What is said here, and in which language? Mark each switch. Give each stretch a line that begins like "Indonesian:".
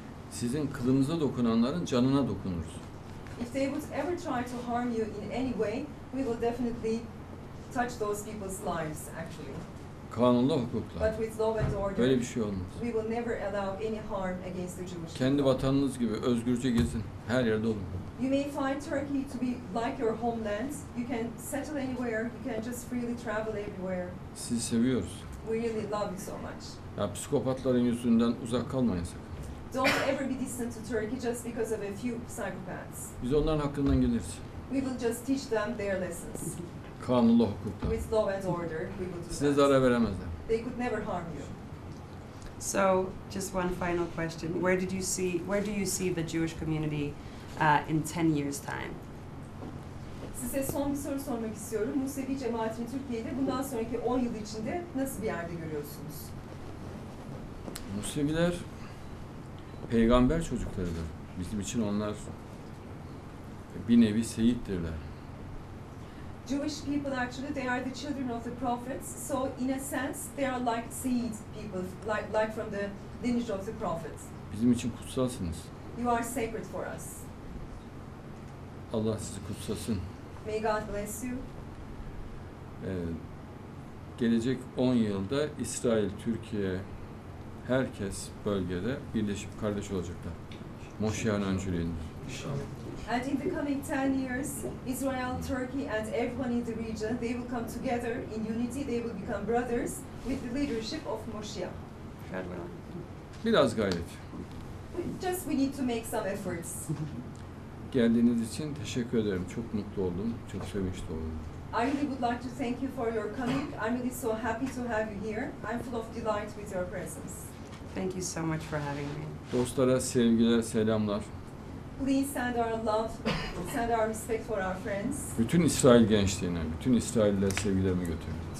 Turkish: Sizin kılınıza dokunanların canına dokunuruz.
English: If they would ever try to harm you in any way, we will definitely touch those people's lives, actually.
Turkish: Kanunla, hukukla.
English: But with law and order,
Turkish: böyle bir şey olmaz.
English: We will never allow any harm against the Jewish people.
Turkish: Kendi vatanınız gibi özgürce gezin, her yerde olun.
English: You may find Turkey to be like your homeland. You can settle anywhere, you can just freely travel everywhere.
Turkish: Sizi seviyoruz.
English: We really love you so much.
Turkish: Ya psikopatların yüzünden uzak kalmayın sakın.
English: Don't ever be distant to Turkey just because of a few psychopaths.
Turkish: Biz onların hakkından geliriz.
English: We will just teach them their lessons.
Turkish: Kanunla, hukukla.
English: With law and order, we will do.
Turkish: Size zarar veremezler.
English: They could never harm you. So, just one final question. Where do you see the Jewish community in 10 years time?
Turkish: Size son bir soru sormak istiyorum. Musevi cemaatini Türkiye'de bundan sonraki 10 yıl içinde nasıl bir yerde görüyorsunuz? Museviler peygamber çocuklarıdır. Bizim için onlar bir nevi seyittirler.
English: Jewish people actually they are the children of the prophets. So in a sense they are like seed people, like from the lineage of the prophets.
Turkish: Bizim için kutsalsınız.
English: You are sacred for us.
Turkish: Allah sizi kutsasın.
English: May God bless you.
Turkish: Gelecek 10 yılda İsrail, Türkiye, herkes bölgede birleşip kardeş olacaklar. Moşiyan öncülüğünde. Şimdi inshallah.
English: And in the coming 10 years, Israel, Turkey, and everyone in the region, they will come together in unity. They will become brothers with the leadership of Moshiach. God willing.
Turkish: Biraz gayret.
English: Just we need to make some efforts.
Turkish: Geldiğiniz için teşekkür ederim. Çok mutlu oldum. Çok sevinçli oldum.
English: I really would like to thank you for your coming. I'm really so happy to have you here. I'm full of delight with your presence. Thank you so much for having me.
Turkish: Dostlara sevgiler, selamlar.
English: Please send our love, send our respect for our friends.
Turkish: Bütün İsrail gençliğine, bütün İsrail'lere sevgilerimi götürün.